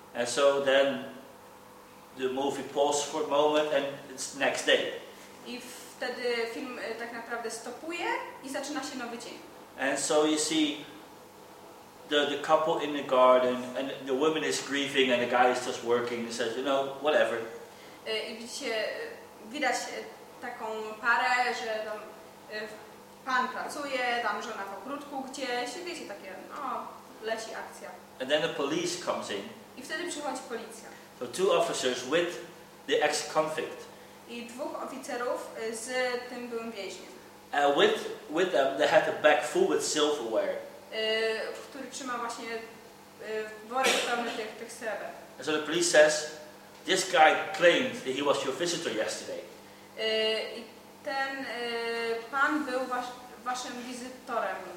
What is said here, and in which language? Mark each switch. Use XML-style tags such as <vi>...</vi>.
<en>And so then the movie pauses for a moment and it's the next day.</en> <pl>I wtedy film tak naprawdę stopuje i zaczyna się nowy dzień.</pl> <en>And so you see the couple in the garden and the woman is grieving and the guy is just working and says, you know, whatever.</en> <pl>I widzicie, widać taką parę, że tam pan pracuje, tam żona w ogródku gdzieś, wiecie, takie, no, leci akcja.</pl> <en>And then the police comes in.</en> <pl>I wtedy przychodzi policja.</pl> <en>So two officers with the ex-convict.</en> <pl>I dwóch oficerów z tym byłym więźniem.</pl> <en>With them, they had a bag full with silverware.</en> <pl>Który trzymał właśnie worek pełny tych srebr.</pl> <en>So the police says, this guy claimed that he was your visitor yesterday.</en> <pl>I ten pan był waszym wizytorem.</pl>